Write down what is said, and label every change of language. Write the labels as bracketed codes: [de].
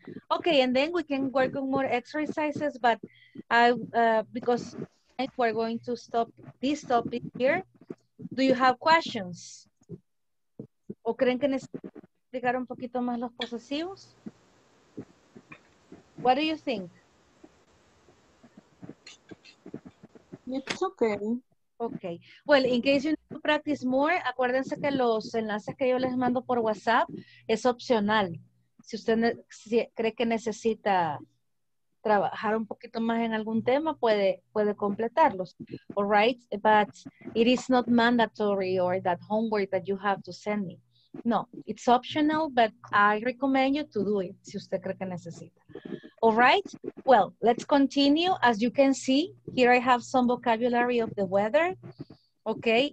[en] Okay, and then we can work on more exercises, but I because if we're going to stop this topic here, do you have questions? [es] ¿O creen que necesitan explicar un poquito más los posesivos? [en] What do you think? It's okay. Okay. Well, in case you need to practice more, [es] acuérdense que los enlaces que yo les mando por WhatsApp es opcional. Si usted cree que necesita trabajar un poquito más en algún tema, puede completarlos. [en] All right? But it is not mandatory or that homework that you have to send me. No, it's optional, but I recommend you to do it [es] si usted cree que necesita. [en] All right? Well, let's continue. As you can see, here I have some vocabulary of the weather. Okay?